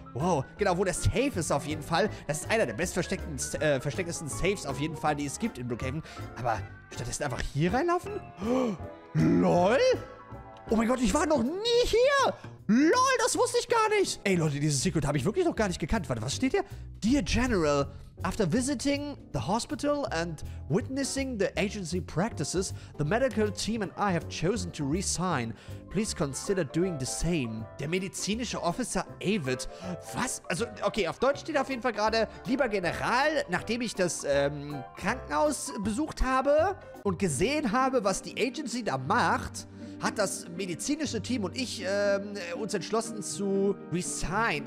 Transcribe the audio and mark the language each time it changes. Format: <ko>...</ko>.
<de>Wow, genau, wo der Safe ist auf jeden Fall. Das ist einer der bestverstecktesten Safes auf jeden Fall, die es gibt in Brookhaven. Aber stattdessen einfach hier reinlaufen? LOL? Oh mein Gott, ich war noch nie hier! LOL, das wusste ich gar nicht! Ey, Leute, dieses Secret habe ich wirklich noch gar nicht gekannt. Warte, was steht hier?</de> <en>Dear General, after visiting the hospital and witnessing the agency practices, the medical team and I have chosen to resign. Please consider doing the same.</en> <de>Der medizinische Officer Avid. Was? Also, okay, auf Deutsch steht auf jeden Fall gerade, lieber General, nachdem ich das Krankenhaus besucht habe und gesehen habe, was die Agency da macht, hat das medizinische Team und ich uns entschlossen zu resign.</de>